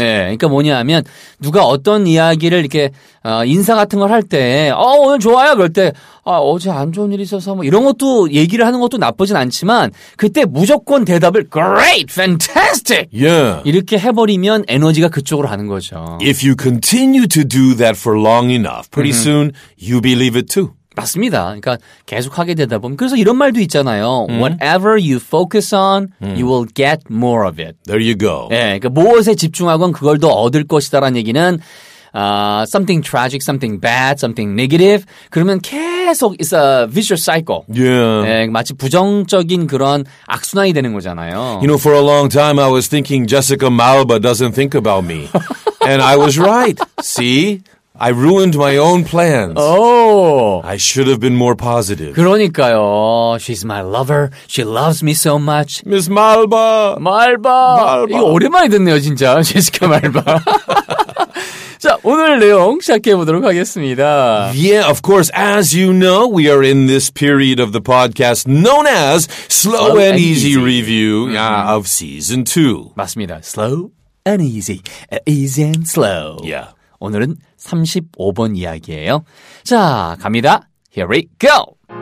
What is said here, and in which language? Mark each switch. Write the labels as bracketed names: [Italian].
[Korean] 예, 그러니까 뭐냐면 누가 어떤 이야기를 이렇게 인사 같은 걸 할 때 오늘 좋아요 그럴 때 어제 안 좋은 일이 있어서 뭐 이런 것도 얘기를 하는 것도 나쁘진 않지만 그때 무조건 대답을 [English] great, fantastic. Yeah. [Korean] 이렇게 해버리면 에너지가 그쪽으로 가는 거죠. [English] If you continue to do that for long enough, pretty mm-hmm. soon you believe it too. [Korean] 맞습니다. 그러니까 계속하게 되다 보면 그래서 이런 말도 있잖아요. [English] Mm. Whatever you focus on, mm. you will get more of it. There you go. [Korean] 예, 그러니까 무엇에 집중하건 그걸 더 얻을 것이다라는 얘기는 [English] something tragic, something bad, something negative. [Korean] 그러면 계속 [English] it's a vicious cycle. Yeah. [Korean] 예, 마치 부정적인 그런 악순환이 되는 거잖아요. [English] You know, for a long time I was thinking Jessica Malba doesn't think about me. And I was right. See? I ruined my own plans. Oh. I should have been more positive. [Korean] 그러니까요. [English] She's my lover. She loves me so much. Miss Malba. Malba. Malba. [Korean] 이거 오랜만에 듣네요, 진짜. [English] Jessica Malba. [Korean] 자, 오늘 내용 시작해 보도록 하겠습니다. [English] Yeah, of course, as you know, we are in this period of the podcast known as Slow and Easy Review of Season 2. [Korean] 맞습니다. [English] Slow and Easy. Easy and Slow. Yeah. [Korean] 오늘은 35번 이야기예요. 자, 갑니다. [English] Here we go!